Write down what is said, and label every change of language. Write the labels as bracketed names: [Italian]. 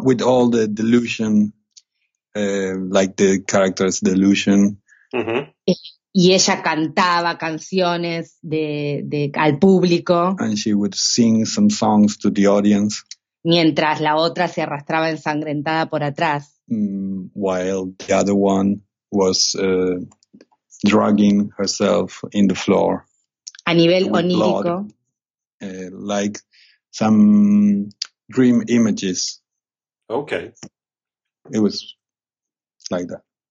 [English] With all the delusion, like the character's delusion. Mm-hmm. [Spanish] Y ella cantaba canciones de al público. [English] And she would sing some songs to the audience. [Spanish] Mientras la otra se arrastraba ensangrentada por atrás. [English] While the other one was dragging herself in the floor. [Spanish] A nivel onírico. [English] Blood, like some dream images. Okay. It was like that.